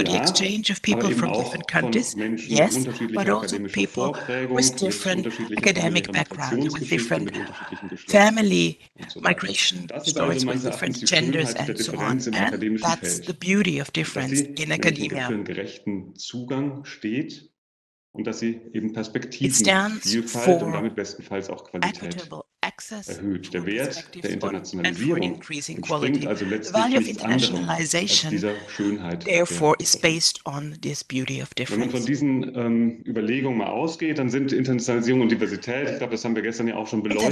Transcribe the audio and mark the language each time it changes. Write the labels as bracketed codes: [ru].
[en] So the exchange of people from different countries, yes, but also people with different academic backgrounds, with different family migration stories, with different genders, and so on. And that's the beauty of difference in academia. [de] Für einen gerechten Zugang steht und dass sie eben Perspektivenvielfalt und damit bestenfalls auch Qualität erhöht. Der Wert der Internationalisierung entspringt also letztlich dieser Schönheit. [en] Therefore is based on this beauty of difference. [de] Wenn man von diesen Überlegungen mal ausgeht, dann sind Internationalisierung und Diversität, ich glaube, das haben wir gestern ja auch schon beleuchtet,